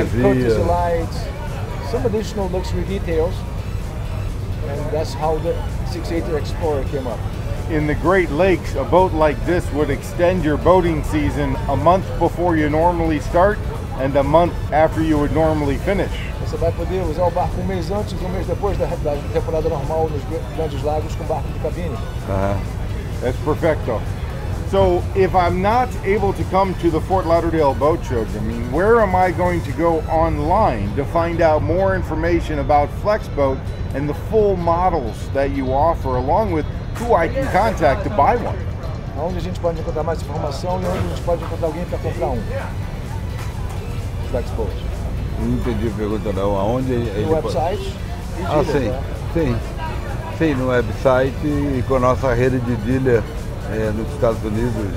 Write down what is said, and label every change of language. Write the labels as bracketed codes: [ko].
[en] And courtesy lights, some additional luxury details. And that's how the 680 Explorer came up. In the Great Lakes, a boat like this would extend your boating season a month before you normally start and a month after you would normally finish. [pt] Você vai poder usar o barco mês antes e mês depois da temporada normal nos grandes lagos com barco de cabine. [en] Uh-huh. That's perfecto. So, if I'm not able to come to the Fort Lauderdale Boat Show, I mean, where am I going to go online to find out more information about Flexboat and the full models that you offer, along with who I can contact to buy one? [pt] Onde a gente pode encontrar mais informação e onde a gente pode encontrar alguém para comprar um? [en] Flexboat. [pt] Não entendi a pergunta não, aonde ele pode... No website? Ah, sim, sim. Sim, no website e com a nossa rede de dealer nos Estados Unidos.